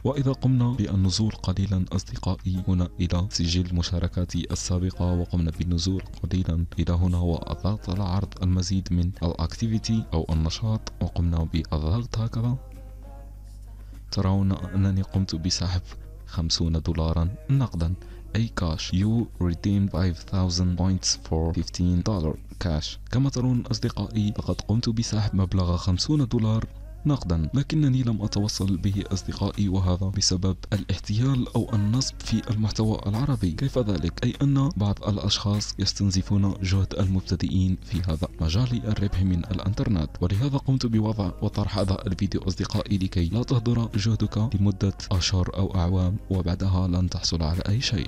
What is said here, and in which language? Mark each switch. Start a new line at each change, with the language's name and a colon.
Arabic: وإذا قمنا بالنزول قليلا أصدقائي هنا إلى سجل مشاركاتي السابقة، وقمنا بالنزول قليلا إلى هنا والضغط على عرض المزيد من الأكتيفيتي أو النشاط، وقمنا بالضغط هكذا، ترون أنني قمت بسحب $50 نقدا، أي كاش.
English: You redeemed 5000 points for $15 cash.
Arabic: كما ترون أصدقائي لقد قمت بسحب مبلغ $50 نقدا، لكنني لم أتوصل به أصدقائي، وهذا بسبب الاحتيال أو النصب في المحتوى العربي. كيف ذلك؟ أي أن بعض الأشخاص يستنزفون جهد المبتدئين في هذا مجال الربح من الأنترنت، ولهذا قمت بوضع وطرح هذا الفيديو أصدقائي لكي لا تهدر جهدك لمدة أشهر أو أعوام وبعدها لن تحصل على أي شيء.